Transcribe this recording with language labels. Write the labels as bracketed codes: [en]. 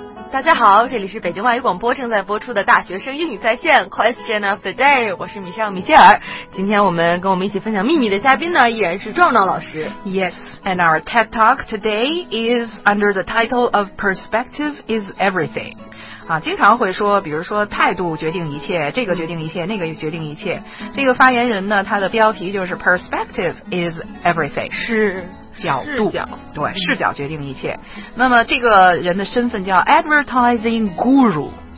[zh] 大家好，这里是北京外语广播正在播出的大学生英语在线 Question of the Day， 我是米歇尔。米歇尔，今天我们跟我们一起分享秘密的嘉宾呢，依然是壮壮老师。 [en] Yes, and our TED Talk today is under the title of Perspective is Everything. [zh] 啊，经常会说，比如说态度决定一切，这个决定一切，那个决定一切。这个发言人呢，他的标题就是 [en] Perspective is everything， [zh] 是角度，视角，对，视角决定一切。那么这个人的身份叫 Advertising Guru，